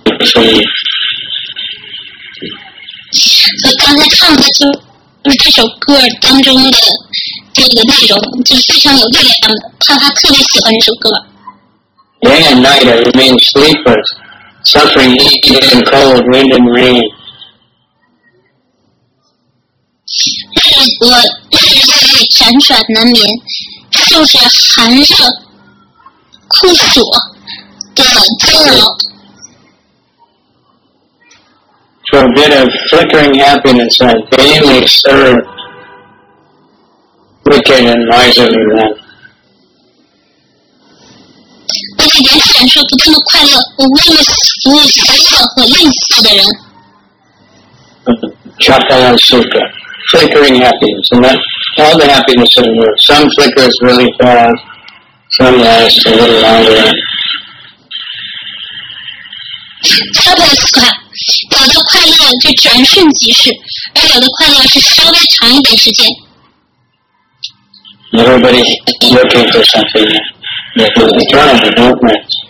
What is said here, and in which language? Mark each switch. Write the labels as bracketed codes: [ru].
[zh] So, 刚才看的就是这首歌当中的这个内容，就是非常有力量的。看他特别喜欢这首歌。 [en] Day and night I remain sleepless, suffering heat and cold, wind and rain. [zh] 我辗转难眠，就是寒热酷暑的煎熬。 [en] For a bit of flickering happiness, I daily serve wicked and miserly men. [zh] 为了延续感受不尽的快乐，我为了服务邪恶和吝啬的人。 [en] Chakala Sukha, flickering happiness, and that all the happiness in the world. Some flickers really fast, some last a little longer. Chakala Sukha. [zh] 有的快乐就转瞬即逝，而有的快乐是稍微长一点时间。 [en] Everybody looking for something that is eternal, but don't match.